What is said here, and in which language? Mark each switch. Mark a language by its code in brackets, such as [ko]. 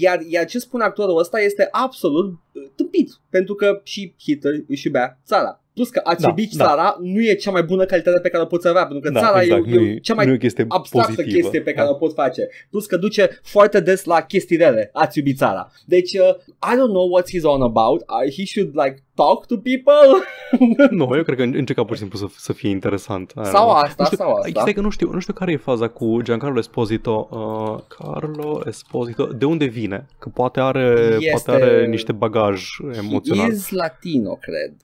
[ro] Iar ce spune actorul ăsta este absolut tâmpit, pentru că și Hitler își bea țara. Plus că țara nu e cea mai bună calitate pe care o poți avea, pentru că țara e cea mai abstractă chestie pe care o poți face. Plus că duce foarte des la chestii rele, ați iubit țara. [en] Deci, I don't know what he's on about. He should, like, talk to people? [ro] Nu, eu cred că încerca pur și simplu să fie interesant. Sau asta. Că nu știu care e faza cu Giancarlo Esposito. Carlo Esposito, de unde vine? Că poate are niște bagaj emoțional. [en] He is Latino, [ro] cred.